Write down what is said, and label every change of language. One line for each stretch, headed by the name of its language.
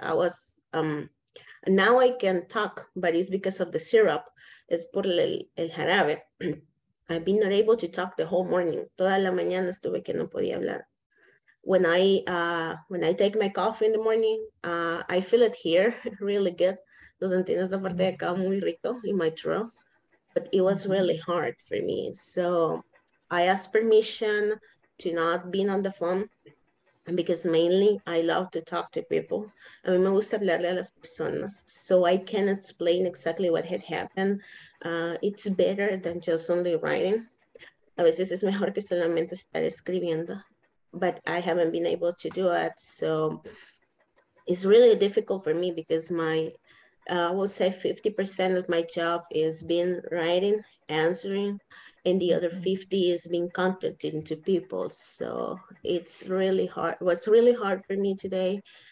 English: I was, now I can talk, but it's because of the syrup.
Spanish: Es por el jarabe.
English: I've been not able to talk the whole morning.
Spanish: Toda la mañana estuve que no podía hablar.
English: When I take my coffee in the morning, I feel it here really good.
Spanish: Los entiendes la parte de acá muy rico
English: in my throat, but it was really hard for me. So I asked permission to not be on the phone, because mainly I love to talk to people.
Spanish: A mí me gusta hablarle a las personas,
English: so I can explain exactly what had happened. It's better than just only writing.
Spanish: A veces es mejor que solamente estar escribiendo.
English: But I haven't been able to do it. So it's really difficult for me, because my, I would say 50% of my job is being writing, answering, and the other 50 is being contacting to people. So it's really hard. It was really hard for me today.